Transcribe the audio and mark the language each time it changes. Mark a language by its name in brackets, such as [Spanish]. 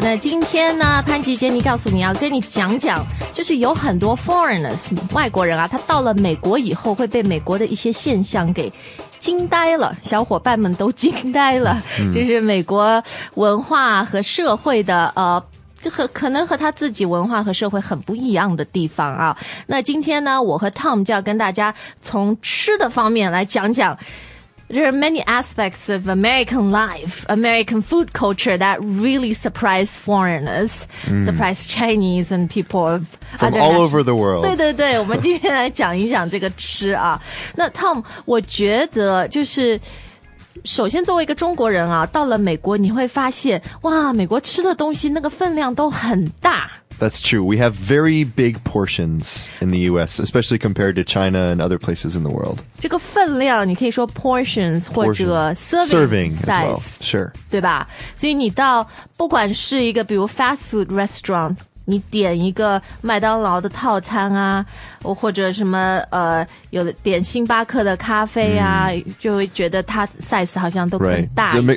[Chinese] 那今天呢，潘吉杰里告诉你要跟你讲讲，就是有很多 foreigners 外国人啊，他到了美国以后会被美国的一些现象给惊呆了，小伙伴们都惊呆了，就是美国文化和社会的可能和他自己文化和社会很不一样的地方啊。那今天呢，我和 Tom 就要跟大家从吃的方面来讲讲。 [English] There are many aspects of American life, American food culture that really surprise foreigners,、surprise Chinese and people of from all over the world. [Chinese] 对对对，我们今天来讲一讲这个吃啊。那 Tom， 我觉得就是首先作为一个中国人啊，到了美国你会发现，哇，美国吃的东西那个分量都很大。 [English] That's true. We have very big portions in the U.S., especially compared to China and other places in the world. [Chinese] 这个分量你可以说 portions 或者 serving size, [English] as well. Sure. [Chinese] 对吧？所以你到不管是一个比如 [English] fast food restaurant, [Chinese] 你点一个麦当劳的套餐啊，或者什么有点星巴克的咖啡啊、就会觉得它 size 好像都很大一点。